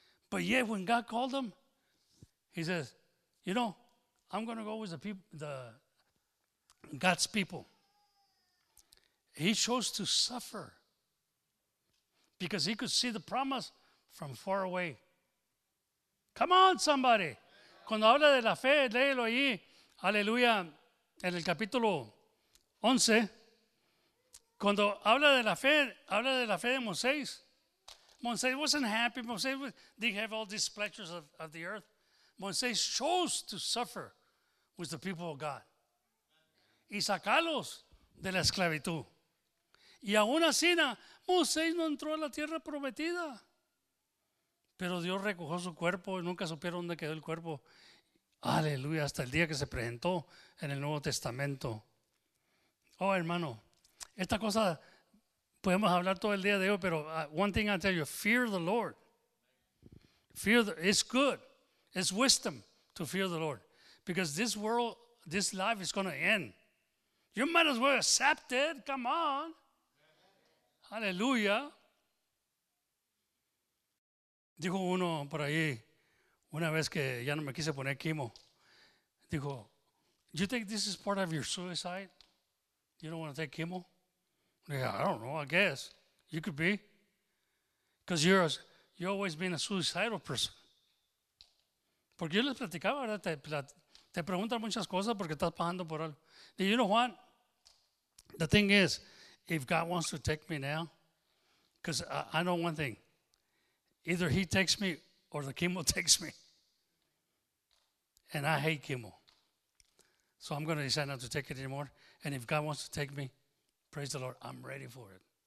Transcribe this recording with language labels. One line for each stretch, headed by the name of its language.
English: But yet when God called him, he says, you know, I'm going to go with God's people. He chose to suffer because he could see the promise from far away. Come on, somebody.
Spanish: Cuando habla de la fe, léelo ahí. Aleluya. En el capítulo 11. Cuando habla de la fe de Moisés.
English: Moisés wasn't happy. Moisés didn't have all these pleasures of the earth. Moisés chose to suffer with the people of God.
Spanish: Y sacarlos de la esclavitud. Y aún así, Moisés no entró a la tierra prometida. Pero Dios recogió su cuerpo y nunca supieron dónde quedó el cuerpo. Aleluya, hasta el día que se presentó en el Nuevo Testamento. Oh, hermano, esta cosa podemos hablar todo el día de hoy, pero
English: one thing I tell you, fear the Lord. It's good. It's wisdom to fear the Lord. Because this world, this life is going to end. You might as well accept it. Come on. Aleluya.
Spanish: Dijo uno por ahí, una vez que ya no me quise poner quimo, dijo,
English: do you think this is part of your suicide? You don't want to take chemo? Yeah, I don't know, I guess. You could be. Because you're always been a suicidal person.
Spanish: Porque yo les platicaba, ¿verdad? Te preguntan muchas cosas porque estás pasando por algo.
English: Do you know what? The thing is, if God wants to take me now, because I know one thing, either he takes me or the chemo takes me. And I hate chemo. So I'm going to decide not to take it anymore. And if God wants to take me, praise the Lord, I'm ready for it.